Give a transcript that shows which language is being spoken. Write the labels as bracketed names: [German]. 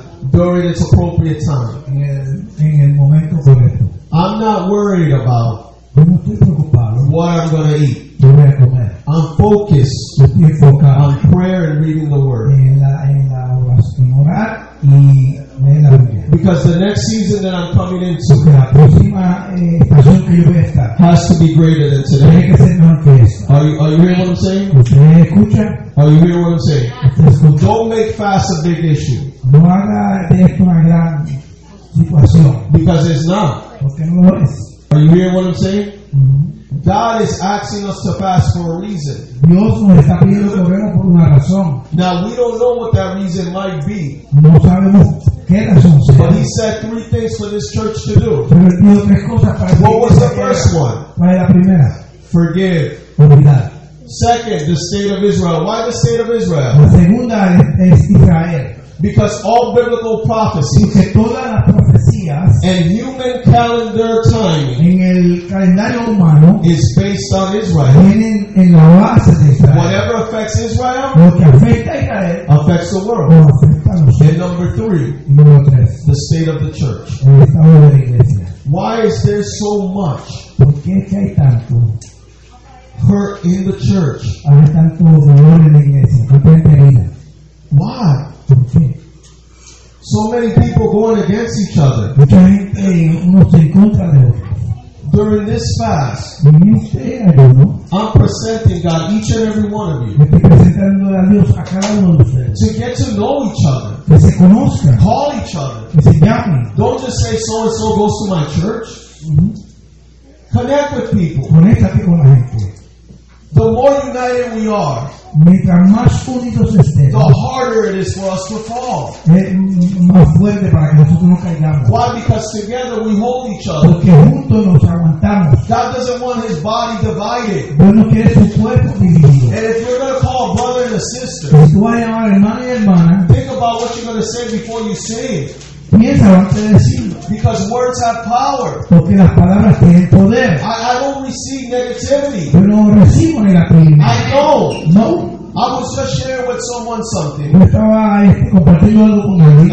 [English] During its appropriate time. [Spanish] En el momento correcto. [English] I'm not worried about what I'm going to eat. [Spanish] Yo voy a comer. [English] I'm focused. [Spanish] Yo estoy enfocado. [English] On prayer and reading the word. [Spanish] En la oración, orar y leer la Biblia. [English] Because the next season that I'm coming into, [Spanish] porque la próxima estación que yo voy a estar, [English] has to be greater than today. [Spanish] Tiene que ser mejor que esta. [English] Are you hearing what I'm saying? [Spanish] ¿Usted escucha? [English] Are you hearing what I'm saying? Don't make fast a big issue. [Spanish] No haga de esto una gran situación. [English] Because it's not. [Spanish] Porque no lo es. [English] Are you hearing what I'm saying? Mm-hmm. God is asking us to fast for a reason. [Spanish] Dios nos está pidiendo que oremos por una razón. [English] Now we don't know what that reason might be. [Spanish] No sabemos qué razón sea. [English] But he said 3 things for this church to do. [Spanish] Pero él dijo 3 cosas para [English] what was the first one? [Spanish] ¿Cuál es la primera? [English] Forgive. [Spanish] Olvidar. [English] Second, the state of Israel. Why the state of Israel? [Spanish] La segunda es Israel. [English] Because all biblical prophecies, [Spanish] porque todas las profecías, [English] and human calendar timing, [Spanish] en el calendario humano, [English] is based on Israel. [Spanish] Tienen en la base de Israel. [English] Whatever affects Israel, [Spanish] lo que afecta a Israel, [English] affects the world. [Spanish] Lo afecta a los. [English] And number 3, [Spanish] número 3, [English] the state of the church. [Spanish] El estado de la iglesia. [English] Why is there so much? [Spanish] ¿Por qué es que hay tanto? [English] Hurt in the church. [Spanish] Hay tanto dolor en la iglesia. ¿Por qué hay herida? [English] Why? So many people going against each other. [Spanish] Mucha gente unos en contra de otros. [English] During this fast, [Spanish] en este ayuno, [English] I'm presenting God each and every one of you. [Spanish] Me estoy presentando a Dios a cada uno de ustedes. [English] To get to know each other. [Spanish] Que se conozcan. [English] Call each other. [Spanish] Que se llamen. [English] Don't just say so and so goes to my church. Connect with people. [Spanish] Conéctate con la gente. [English] The more united we are, [Spanish] mientras más unidos estemos, [English] the harder it is for us to fall. [Spanish] Más fuerte para que nosotros no caigamos. [English] Why? Because together we hold each other. [Spanish] Porque juntos nos aguantamos. [English] God doesn't want His body divided. [Spanish] Dios no quiere su cuerpo dividido. [English] And if you're going to call a brother and a sister, [Spanish] si tú vas a llamar hermano y hermana, [English] think about what you're going to say before you say it. [Spanish] Piensa antes de decirlo. [English] Because words have power. [Spanish] Porque las palabras tienen poder. [English] I don't receive negativity. [Spanish] Yo no recibo negatividad. [English] I know. [Spanish] No. [English] I was just sharing with someone something. [Spanish] Yo estaba compartiendo algo con alguien.